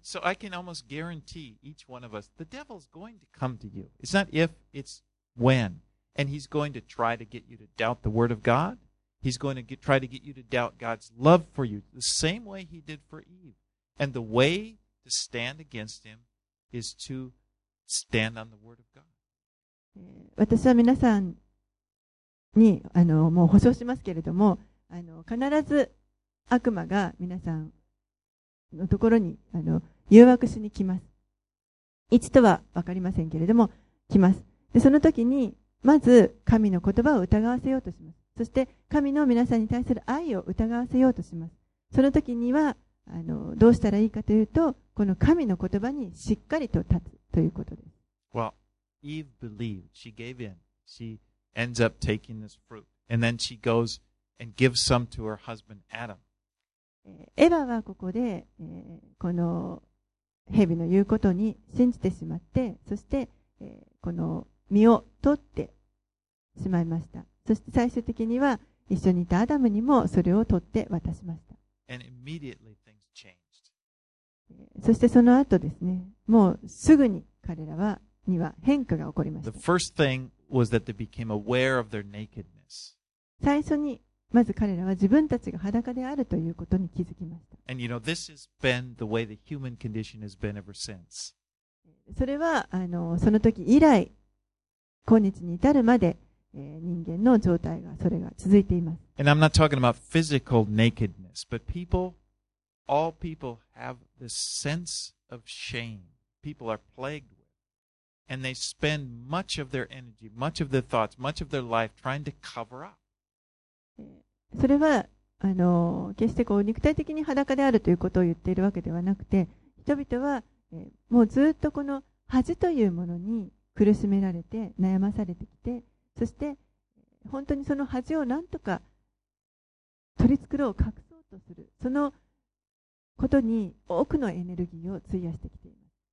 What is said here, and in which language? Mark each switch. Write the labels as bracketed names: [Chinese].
[English] And so I can almost guarantee each one of us, the devil's going to come to you. It's not if, it's when. And he's going to try to get you to doubt the word of God. He's going to try to get you to doubt God's love for you, the same way he did for Eve. And the way to stand against him. Is to stand on the word of God. [Japanese] 私は皆さんにもう保証しますけれども必ず悪魔が皆さんのところに誘惑しに来ます。いつとは分かりませんけれども来ます。でその時にまず神の言葉を疑わせようとします。そして神の皆さんに対する愛を疑わせようとします。その時にはどうしたらいいかというとこの神の言葉にしっかりと立つということです。 [English] Well, Eve believed. She gave in. She ends up taking this fruit. And then she goes and gives some to her husband, Adam. [Japanese] エヴァはここで、この蛇の言うことに信じてしまって、そして、この実を取ってしまいました。そして最終的には一緒にいたアダムにもそれを取って渡しました。 [English] And immediately things changed. [Japanese] そしてその後ですね、もうすぐに彼らには変化が起こりました。 [English] The first thing was that they became aware of their nakedness. [Japanese] 最初にまず彼らは自分たちが裸であるということに気づきました。 [English] And this has been the way the human condition has been ever since. [Japanese] それはその時以来、今日に至るまで、人間の状態がそれが続いています。 [English] And I'm not talking about physical nakedness, but people, all people have this sense of shame. People are plagued with. And they spend much of their energy, much of their thoughts, much of their life trying to cover up. [Japanese] それは、決してこう肉体的に裸であるということを言っているわけではなくて、人々は、もうずっとこの恥というものに苦しめられて悩まされてきて、そして本当にその恥を何とか取り繕う、隠そうとする、そのことに多くのエネルギーを費やしてきています。